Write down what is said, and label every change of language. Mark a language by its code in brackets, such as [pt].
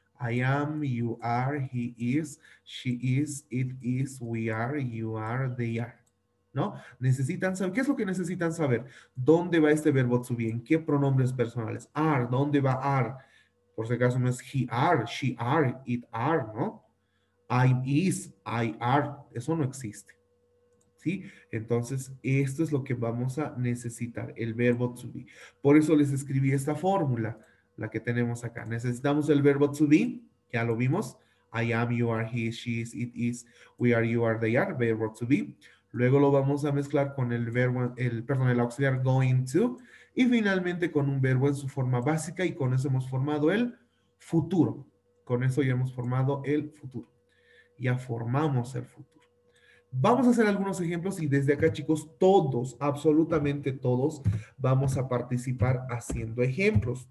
[en] I am, you are, he is, she is, it is, we are, you are, they are. [es] ¿No? Necesitan saber, ¿qué es lo que necesitan saber? ¿Dónde va este verbo to be? ¿En qué pronombres personales? Are, ¿dónde va are? Por si acaso no es [en] he are, she are, it are, [es] ¿no? [en] I is, I are, [es] eso no existe. ¿Sí? Entonces, esto es lo que vamos a necesitar, el verbo to be. Por eso les escribí esta fórmula, la que tenemos acá. Necesitamos el verbo to be, ya lo vimos. [en] I am, you are, he is, she is, it is, we are, you are, they are, verbo to be. [es] Luego lo vamos a mezclar con el verbo, perdón, el auxiliar going to. Y finalmente con un verbo en su forma básica, y con eso hemos formado el futuro. Con eso ya hemos formado el futuro. Ya formamos el futuro. Vamos a hacer algunos ejemplos y desde acá, chicos, todos, absolutamente todos, vamos a participar haciendo ejemplos.